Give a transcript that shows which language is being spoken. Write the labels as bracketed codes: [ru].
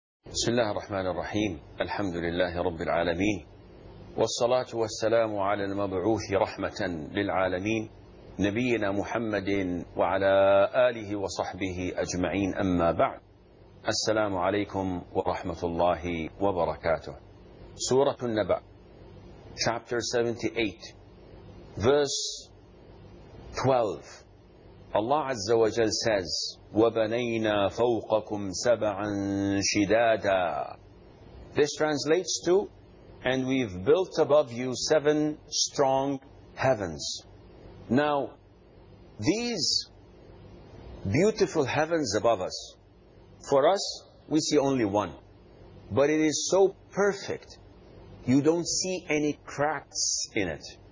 [ar] بسم الله الرحمن الرحيم، الحمد لله رب العالمين، والصلاة والسلام على المبعوث رحمة للعالمين نبينا محمد وعلى آله وصحبه أجمعين، أما بعد، السلام عليكم ورحمة الله وبركاته. [en] سورة النبأ chapter 78 verse 12. [ar] Allah عز وجل says وَبَنَيْنَا فَوْقَكُمْ سَبَعًا شِدَادًا. [en] This translates to, and we've built above you seven strong heavens. Now, these beautiful heavens above us, for us, we see only one. But it is so perfect, you don't see any cracks in it.